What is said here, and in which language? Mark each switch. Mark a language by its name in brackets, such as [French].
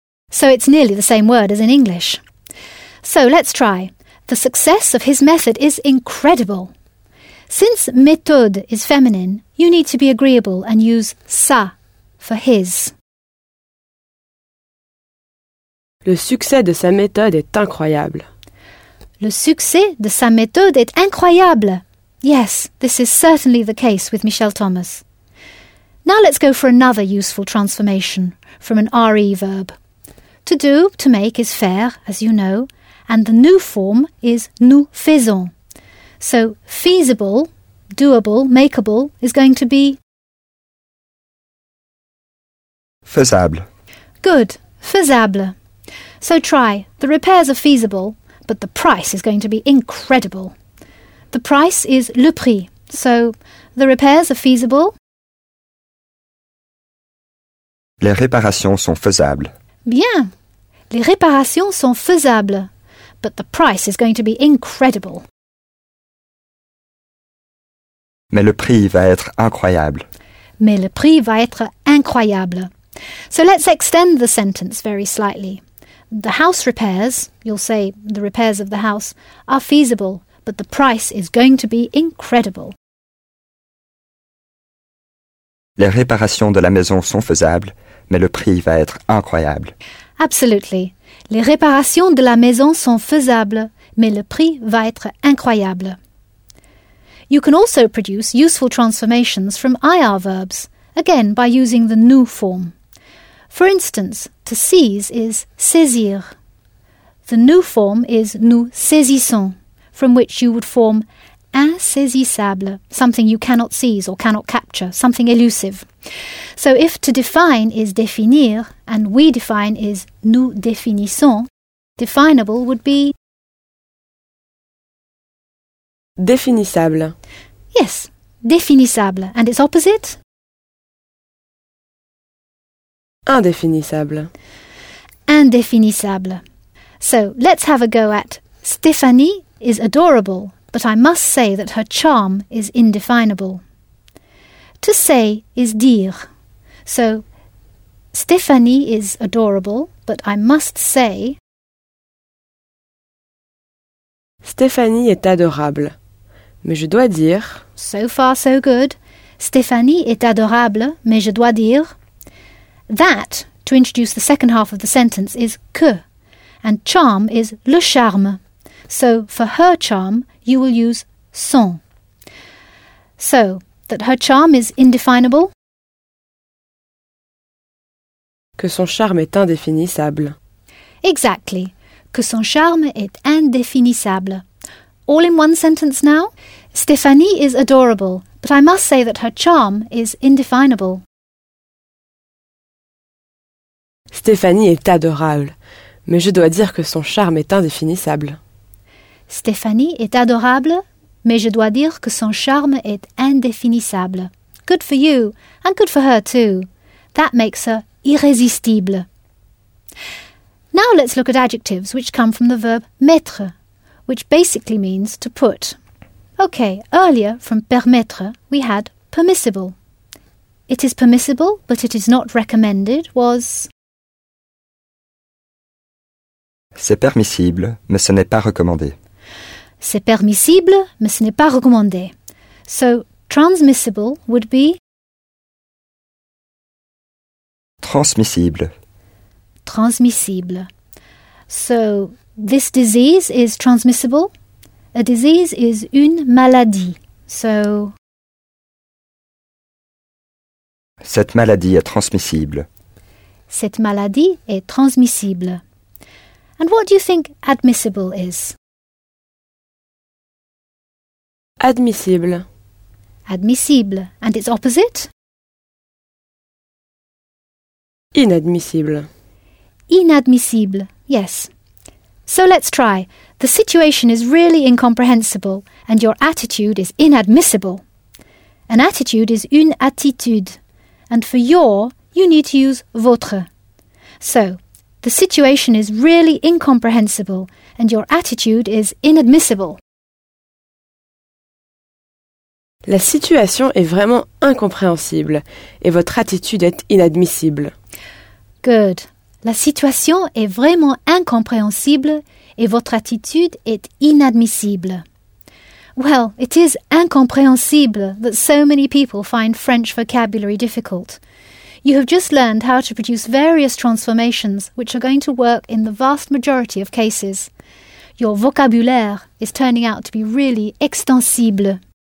[English] So it's nearly the same word as in English. So let's try. The success of his method is incredible. Since méthode is feminine, you need to be agreeable and use ça. For his. [French] Le succès de sa méthode est incroyable. Le succès de sa méthode est incroyable. [English] Yes, this is certainly the case with Michel Thomas. Now let's go for another useful transformation from an RE verb. To do, to make, is faire, as you know, and the nous form is nous faisons. So feasible, doable, makeable, is going to be [French] faisable. [English] Good. Faisable. So try. The repairs are feasible, but the price is going to be incredible. The price is le prix. So, the repairs are feasible? [French] Les réparations sont faisables. Bien. Les réparations sont faisables. [English] But the price is going to be incredible. [French] Mais le prix va être incroyable. Mais le prix va être incroyable. [English] So let's extend the sentence very slightly. The house repairs, you'll say the repairs of the house, are feasible, but the price is going to be incredible. [French] Les réparations de la maison sont faisables, mais le prix va être incroyable. [English] Absolutely. [French] Les réparations de la maison sont faisables, mais le prix va être incroyable. [English] You can also produce useful transformations from IR verbs, again by using the nous form. For instance, to seize is saisir. The nous form is nous saisissons, from which you would form insaisissable, something you cannot seize or cannot capture, something elusive. So if to define is définir and we define is nous définissons, definable would be [French] définissable. [English] Yes, définissable. And its opposite? [French] Indéfinissable. Indéfinissable. [English] So let's have a go at Stéphanie is adorable, but I must say that her charm is indefinable. To say is dire. So Stéphanie is adorable, but I must say [French] Stéphanie est adorable. Mais je dois dire. [English] So far, so good. [French] Stéphanie est adorable, mais je dois dire. [English] That, to introduce the second half of the sentence, is que. And charm is le charme. So, for her charm, you will use son. So, that her charm is indefinable? [French] Que son charme est indéfinissable. [English] Exactly. [French] Que son charme est indéfinissable. [English] All in one sentence now? Stéphanie is adorable, but I must say that her charm is indefinable. [French] Stéphanie est adorable, mais je dois dire que son charme est indéfinissable. Stéphanie est adorable, mais je dois dire que son charme est indéfinissable. [English] Good for you, and good for her too. That makes her irrésistible. Now let's look at adjectives which come from the verb mettre, which basically means to put. Okay, earlier from permettre we had permissible. It is permissible, but it is not recommended was... [French] C'est permissible, mais ce n'est pas recommandé. C'est permissible, mais ce n'est pas recommandé. [English] So, transmissible would be... [French] Transmissible. Transmissible. [English] So, this disease is transmissible. A disease is une maladie. So... [French] Cette maladie est transmissible. Cette maladie est transmissible. [English] And what do you think admissible is? [French] Admissible. [English] Admissible. And its opposite? [French] Inadmissible. [English] Inadmissible. Yes. So let's try. The situation is really incomprehensible and your attitude is inadmissible. An attitude is une attitude. And for your, you need to use votre. So... The situation is really incomprehensible and your attitude is inadmissible. [French] La situation est vraiment incompréhensible et votre attitude est inadmissible. [English] Good. [French] La situation est vraiment incompréhensible et votre attitude est inadmissible. [English] Well, it is incompréhensible that so many people find French vocabulary difficult. You have just learned how to produce various transformations which are going to work in the vast majority of cases. Your vocabulaire is turning out to be really extensible.